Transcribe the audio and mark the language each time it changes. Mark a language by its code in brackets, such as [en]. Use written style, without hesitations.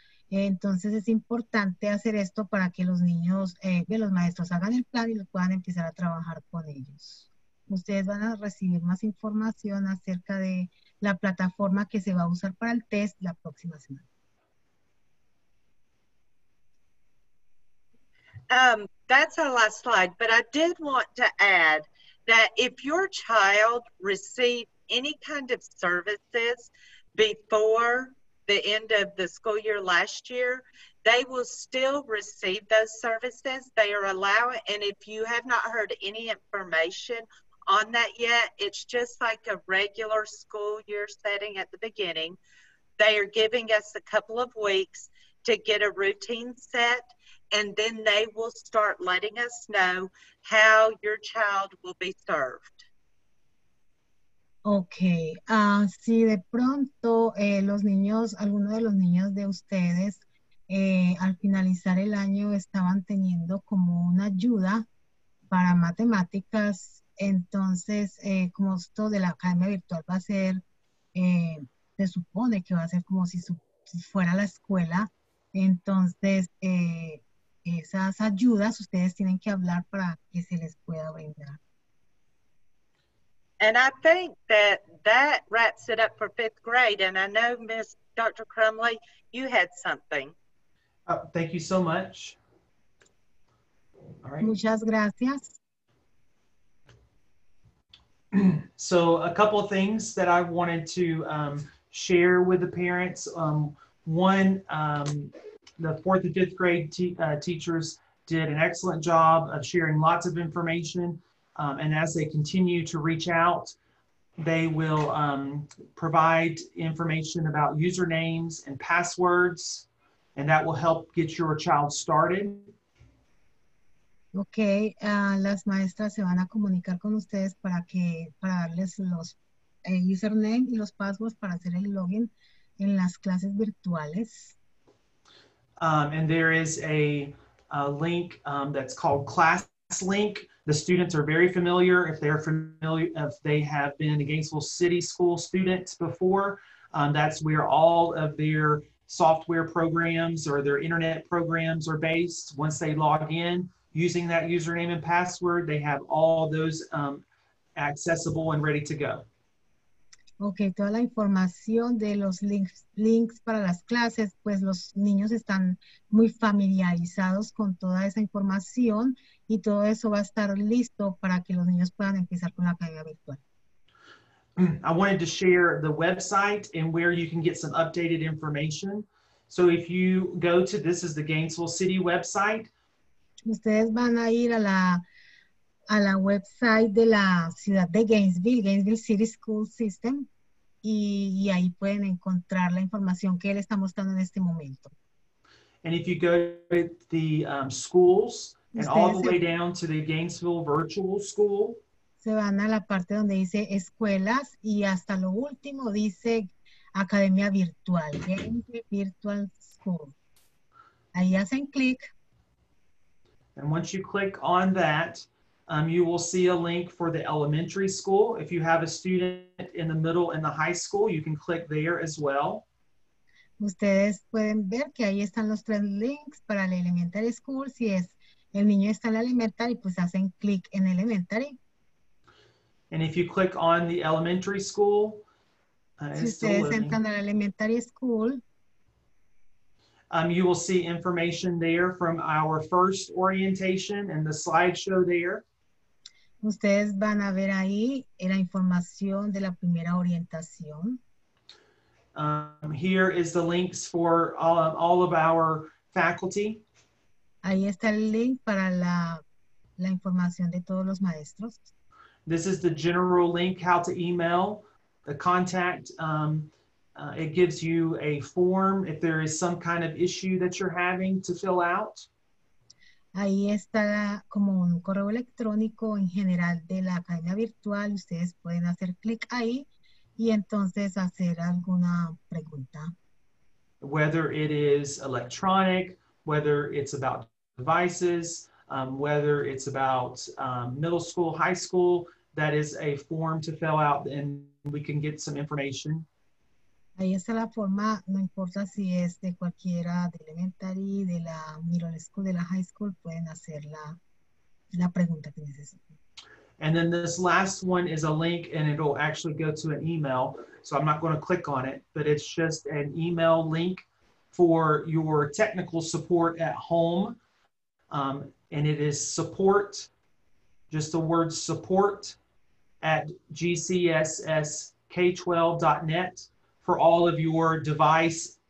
[es] Entonces es importante hacer esto para que los niños, que los maestros hagan el plan y los puedan empezar a trabajar con ellos. Ustedes van a recibir más información acerca de la plataforma que se va a usar para el test la próxima semana. [en] That's our last slide, but I did want to add that if your child received any kind of services before the end of the school year last year, They will still receive those services. They are allowing, and if you have not heard any information on that yet, it's just like a regular school year setting at the beginning. They are giving us a couple of weeks to get a routine set, and then they will start letting us know how your child will be served. Okay. [es] Si de pronto los niños, alguno de los niños de ustedes, al finalizar el año estaban teniendo como una ayuda para matemáticas, entonces como esto de la academia virtual va a ser, se supone que va a ser como si fuera la escuela, entonces esas ayudas ustedes tienen que hablar para que se les pueda brindar. [en] And I think that wraps it up for fifth grade. And I know, Ms. Dr. Crumley, you had something. Oh, thank you so much. All right. [es] Muchas gracias. [en] So a couple of things that I wanted to share with the parents. One, the fourth and fifth grade teachers did an excellent job of sharing lots of information. And as they continue to reach out, they will provide information about usernames and passwords, and that will help get your child started. [es] Okay, las maestras se van a comunicar con ustedes para darles los username y los passwords para hacer el login en las clases virtuales. [en] And there is a link that's called ClassLink. The students are very familiar. If they have been a Gainesville City School students before, that's where all of their software programs or their internet programs are based. Once they log in using that username and password, they have all those accessible and ready to go. [es] Okay, toda la información de los links para las clases, pues los niños están muy familiarizados con toda esa información y todo eso va a estar listo para que los niños puedan empezar con la academia virtual. [en] I wanted to share the website and where you can get some updated information. So if you go to, this is the Gainesville City website. [es] Ustedes van a ir a la website de la ciudad de Gainesville, Gainesville City School System, y ahí pueden encontrar la información que él está mostrando en este momento. [en] And if you go to the schools and all the way down to the Gainesville Virtual School, [es] se van a la parte donde dice escuelas y hasta lo último dice academia virtual, Gainesville Virtual School. Ahí hacen clic. [en] And once you click on that, you will see a link for the elementary school. If you have a student in the middle and the high school, you can click there as well. [es] Ustedes pueden ver que ahí están los tres links para la elementary school. Si es el niño está en la elementary, pues hacen clic en elementary. [en] And if you click on the elementary school, you will see information there from our first orientation and the slideshow there. [es] Ustedes van a ver ahí la información de la primera orientación. [en] Here is the links for all of our faculty. Ahí está el link para la información de todos los maestros. This is the general link, how to email the contact. It gives you a form if there is some kind of issue that you're having to fill out. [es] Ahí está como un correo electrónico en general de la academia virtual. Ustedes pueden hacer clic ahí y entonces hacer alguna pregunta. [en] Whether it is electronic, whether it's about devices, whether it's about middle school, high school, that is a form to fill out and we can get some information. [es] Ahí está la forma, no importa si es de cualquiera, de elementary, de la middle school, de la high school, pueden hacer la pregunta que necesiten. [en] And then this last one is a link and it'll actually go to an email. So I'm not going to click on it, but it's just an email link for your technical support at home. And it is support, just the word support at gcssk12.net for all of your device